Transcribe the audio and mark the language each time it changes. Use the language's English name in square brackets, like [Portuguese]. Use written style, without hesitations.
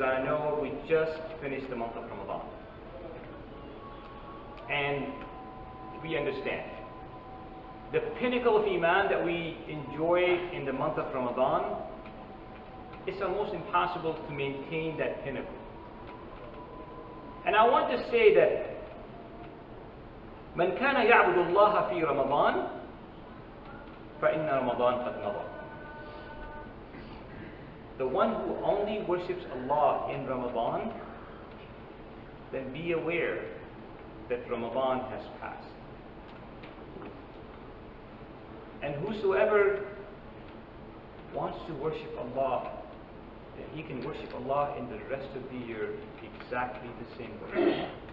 [English] I know we just finished the month of Ramadan. And we understand. The pinnacle of Iman that we enjoy in the month of Ramadan, it's almost impossible to maintain that pinnacle. And I want to say that [Arabic] من كان يعبد الله في رمضان فإن رمضان قد مضى. [English] The one who only worships Allah in Ramadan, then be aware that Ramadan has passed. And whosoever wants to worship Allah, then he can worship Allah in the rest of the year exactly the same way.